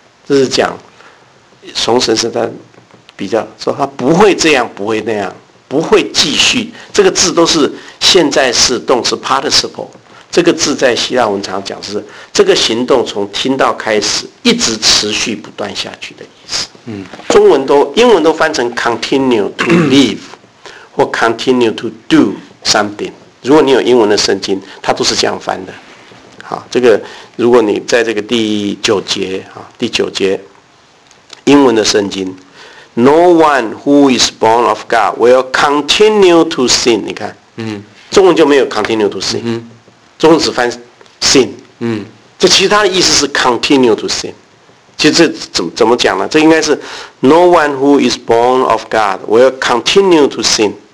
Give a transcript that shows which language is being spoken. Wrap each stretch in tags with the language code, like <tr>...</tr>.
<zh>这是讲从神生，他比较说他不会这样，不会那样，不会继续。这个字都是现在式动词 participle， 这个字在希腊文常讲是这个行动从听到开始一直持续不断下去的意思。中文都，英文都翻成</zh> <en>continue to live</en> <zh>或</zh> <en>continue to do something。</en> <zh>如果你有英文的圣经，它都是这样翻的。好，这个如果你在这个第九节，第九节英文的圣经，</zh> <en>No one who is born of God will continue to sin。</en> <zh>你看，中文就没有</zh> <en>continue to sin，</en> <zh>中文只翻 sin。这其他的意思是</zh> <en>continue to sin。</en> <zh>其实这怎么讲呢？这应该是</zh> <en>No one who is born of God will continue to sin。</en>